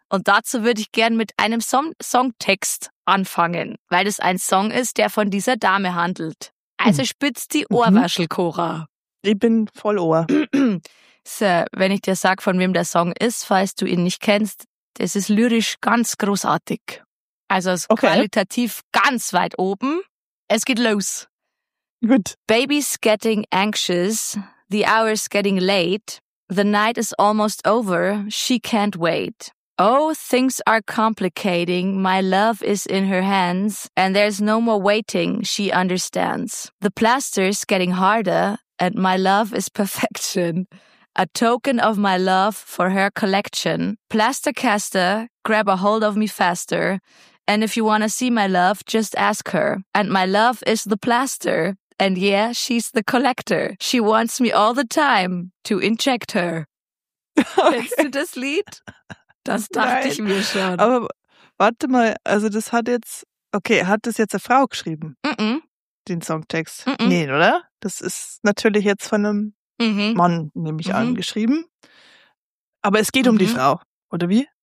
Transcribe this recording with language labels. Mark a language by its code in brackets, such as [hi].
[de] Und dazu würde ich gern mit einem Songtext anfangen, weil es ein Song ist, der von dieser Dame handelt. Also spitzt die Ohrwaschel, Cora. Ich bin voll Ohr. So, wenn ich dir sag, von wem der Song ist, falls du ihn nicht kennst, das ist lyrisch ganz großartig. Also ist qualitativ ganz weit oben. Es geht los. Gut. [en] Baby's getting anxious, the hour's getting late, the night is almost over, she can't wait. Oh, things are complicating, my love is in her hands, and there's no more waiting, she understands. The plaster's getting harder, and my love is perfection. A token of my love for her collection. Plaster caster, grab a hold of me faster. And if you wanna see my love, just ask her. And my love is the plaster. And yeah, she's the collector. She wants me all the time to inject her. [de] Okay. Kennst du das Lied? Das dachte Nein. ich mir schon. Aber warte mal, also das hat jetzt... Okay, hat das jetzt eine Frau geschrieben? Mm-mm. Den Songtext? Mm-mm. Nee, oder? Das ist natürlich jetzt von einem... Mhm. Mann, nehme ich an, geschrieben. Aber es geht um die Frau, oder wie?